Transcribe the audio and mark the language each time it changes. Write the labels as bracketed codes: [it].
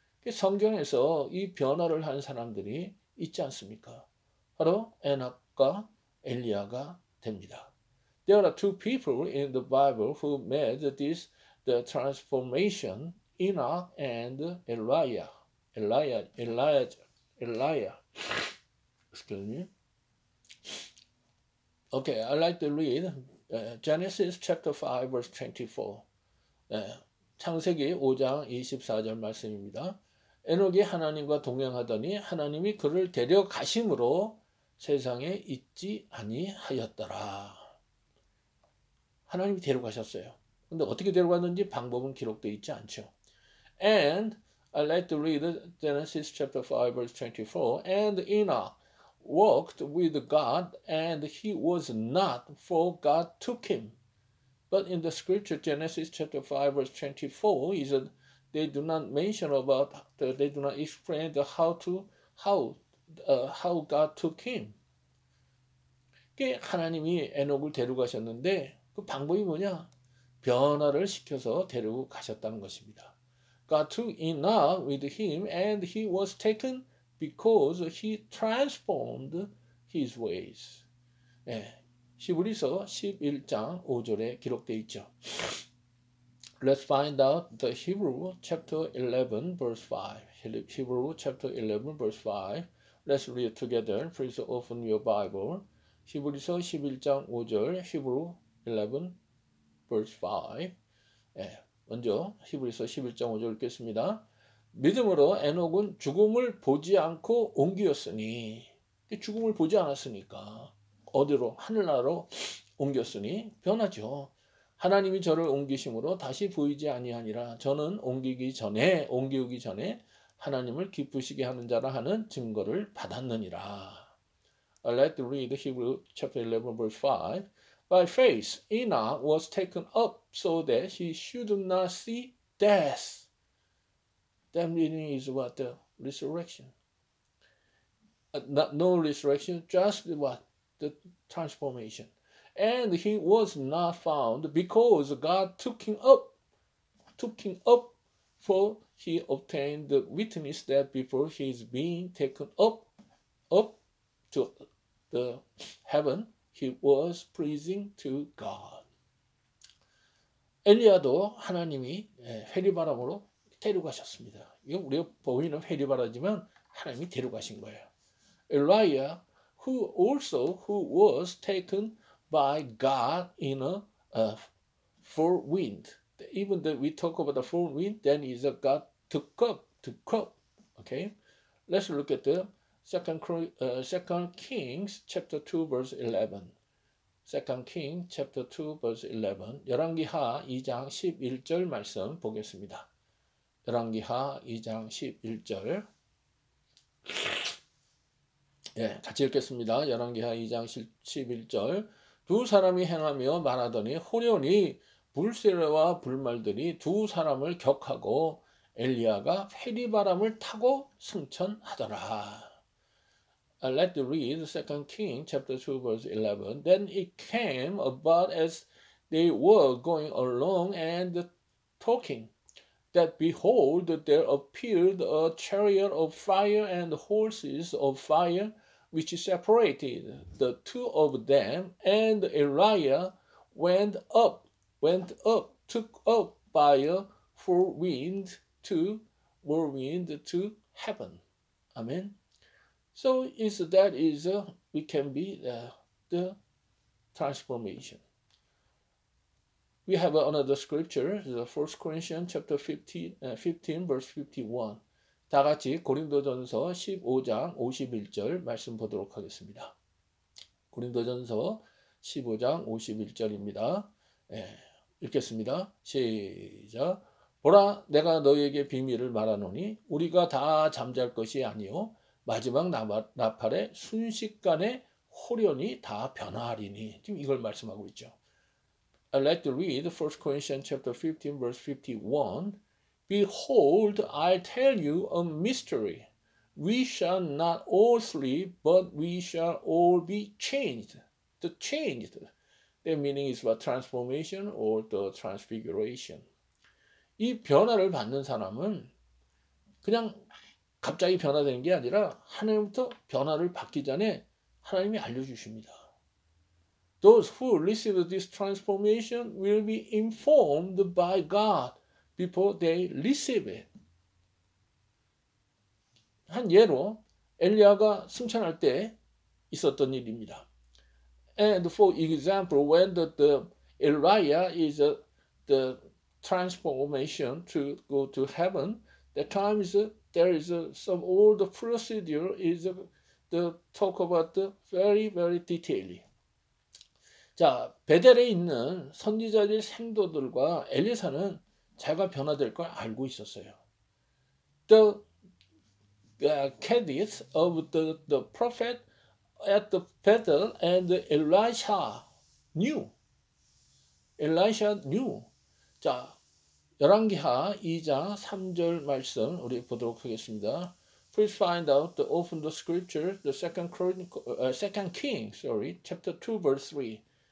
[ko] 성경에서 이 변화를 한 사람들이 있지 않습니까? 바로 에녹과 엘리야가 됩니다. [en] There are two people in the Bible who made this the transformation, Enoch and Elijah. Excuse me. Okay, I'd like to read Genesis chapter 5 verse 24. [ko] 창세기 5장 24절 말씀입니다. 에녹이 하나님과 동행하더니 하나님이 그를 데려가심으로 세상에 있지 아니하였더라. 하나님이 데려가셨어요. 근데 어떻게 데려갔는지 방법은 기록되어 있지 않죠. [en] And I like to read Genesis chapter 5 verse 24. And Enoch walked with God and he was not, for God took him. But in the scripture Genesis chapter 5 verse 24 is a They do not mention about, they do not explain the how God took him. [ko] 하나님이 에녹을 데려가셨는데 그 방법이 뭐냐? 변화를 시켜서 데려가셨다는 것입니다. [en] God took Enoch with him and he was taken because he transformed his ways. [ko] 예, 히브리서 11장 5절에 기록되어 있죠. [en] Let's find out the Hebrew chapter 11 verse 5. Hebrew chapter 11 verse 5. Let's read together. Please open your Bible. [ko] 히브리서 11장 5절. [en] Hebrew 11 verse 5. [ko] 네, 먼저 히브리서 11장 5절 읽겠습니다. 믿음으로 에녹은 죽음을 보지 않고 옮겼으니 죽음을 보지 않았으니까 어디로? 하늘나라로 옮겼으니 변하죠. 하나님이 저를 옮기심으로 다시 보이지 아니하니라. 저는 옮기우기 전에 하나님을 기쁘시게 하는 자라 하는 증거를 받았느니라. [en] I'd like to read Hebrew chapter 11 verse 5. By faith, Enoch was taken up so that he should not see death. That meaning is what? The resurrection. No resurrection, just what? The transformation. And he was not found because God took him up for he obtained the witness that before he is being taken up to the heaven, he was pleasing to God. [ko] 엘리야도 하나님이 회리바람으로 데려가셨습니다. 이거 우리가 보이는 회리바람이지만 하나님이 데려가신 거예요. [en] Elijah, who was taken by God in a full wind. Even that we talk about the full wind, then is a God took up. Okay, let's look at the Second Kings chapter 2 verse 11. Second Kings chapter 2 verse 11. [ko] 열왕기하 2장 11절 말씀 보겠습니다. 열왕기하 2장 11절. 예, 네, 같이 읽겠습니다. 열왕기하 2장 11절. 두 사람이 행하며 말하더니 홀연히 불세례와 불말들이 두 사람을 격하고 엘리야가 회리바람을 타고 승천하더라. [en] Let's read 2 Kings chapter 2 verse 11. Then it came about as they were going along and talking, that behold, there appeared a chariot of fire and horses of fire, which separated the two of them, and Elijah took up by a whirlwind to heaven. Amen. So is that is we can be the transformation. We have another scripture, the First Corinthians chapter 15 verse 51. [ko] 다 같이 고린도전서 15장 51절 말씀 보도록 하겠습니다. 고린도전서 15장 51절입니다. 예, 읽겠습니다. 시작. 보라, 내가 너에게 비밀을 말하노니 우리가 다 잠잘 것이 아니요 마지막 나팔에 순식간에 홀연히 다 변화하리니. 지금 이걸 말씀하고 있죠. [en] I'd like to read 1 Corinthians chapter 15 verse 51. Behold, I tell you a mystery. We shall not all sleep, but we shall all be changed. The changed. The meaning is what transformation or the transfiguration. [ko] 이 변화를 받는 사람은 그냥 갑자기 변화되는 게 아니라 하나님부터 변화를 받기 전에 하나님이 알려주십니다. [en] Those who receive this transformation will be informed by God before they receive it. [ko] 한 예로 엘리야가 승천할 때 있었던 일입니다. [en] And for example, when the Elijah is the transformation to go to heaven, that time is there is some all the procedure is the talk about the very very detailed. [ko] 자, 베델에 있는 선지자들 생도들과 엘리사는 자기가 변화될 걸 알고 있었어요. [en] Candidates of the prophet at the Bethel and Elisha knew. Elisha knew. [ko] 자, 열왕기하 2장 3절 말씀 우리 보도록 하겠습니다. [en] Please find out the open the scripture, the second chronicle, second king, sorry, chapter 2, verse 3.